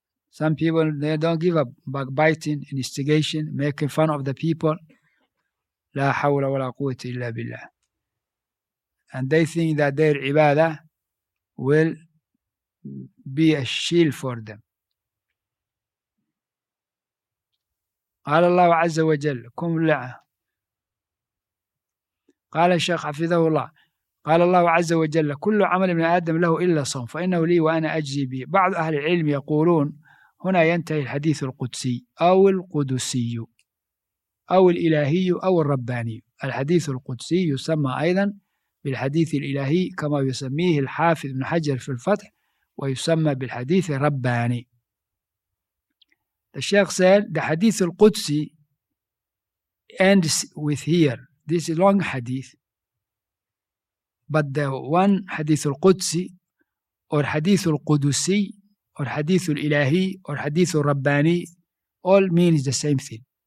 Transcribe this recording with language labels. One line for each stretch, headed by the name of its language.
English: Some people, they don't give up backbiting, instigation, making fun of the people.
Arabic: La hawla wa la quwwata illa billah.
English: And they think that their ibadah will be a shield for them.
Arabic: قال الله عز وجل كم لا قال الشيخ حفظه الله قال الله عز وجل كل عمل من آدم له إلا صوم فإنه لي وأنا أجزي به. بعض أهل العلم يقولون هنا ينتهي الحديث القدسي أو القدسي أو الإلهي أو الرباني. الحديث القدسي يسمى أيضا بالحديث الإلهي كما يسميه الحافظ بن حجر في الفتح, ويسمى بالحديث الرباني.
English: The Sheikh said, the Hadith al-Qudsi ends with here. This is a long Hadith. But the one Hadith al-Qudsi, or Hadith al-Qudusi, or Hadith al-Ilahi, or Hadith al-Rabbani, all means the same thing.